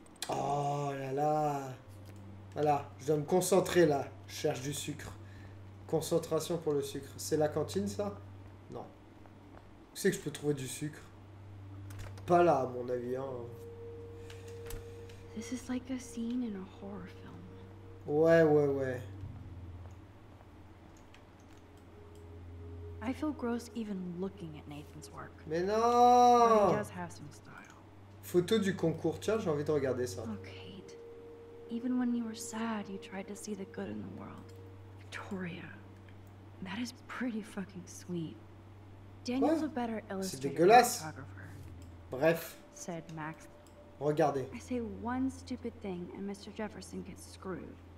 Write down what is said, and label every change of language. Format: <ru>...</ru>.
<fr>Oh là là. Voilà, je dois me concentrer là. Je cherche du sucre. Concentration pour le sucre. C'est la cantine ça? Non. Où c'est que je peux trouver du sucre? Pas là à mon avis. Hein.</fr> <en>This is like a scene in a horror film.</en> <fr>Ouais.</fr> <en>I feel gross even looking at Nathan's work.</en> <fr>Mais non!</fr> <en>But he does have some style.</en> <fr>Photo du concours, tiens, j'ai envie de regarder ça.</fr> <en>Oh, Kate. Even when you were sad, you tried to see the good in the world. Victoria. That is pretty fucking sweet. Daniel's a better illustrator than a photographer.</en> <fr>Bref.</fr> <en>Said Max.</en> <fr>Regardez.</fr> <en>I say one stupid thing and Mr. Jefferson gets screwed.</en>